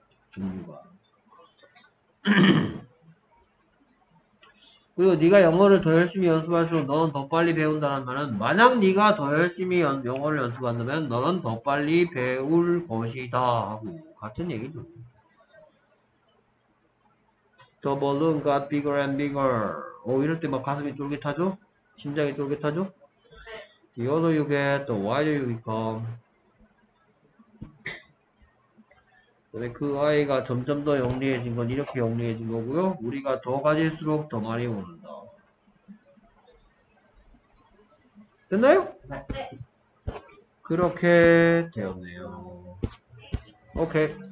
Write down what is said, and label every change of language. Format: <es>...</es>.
<ko>종류가 그리고 네가 영어를 더 열심히 연습할수록 너는 더 빨리 배운다는 말은 만약 네가 더 열심히 영어를 연습한다면 너는 더 빨리 배울 것이다 하고 같은 얘기죠.</ko> <en>The balloon got bigger and bigger.</en> <ko>오, 이럴 때 막 가슴이 쫄깃하죠? 심장이 쫄깃하죠?</ko> <en>The older you get, the wider you become.</en> <ko>그 아이가 점점 더 영리해진 건 이렇게 영리해진 거고요. 우리가 더 가질수록 더 많이 오른다. 됐나요? 네. 그렇게 되었네요. 오케이.</ko>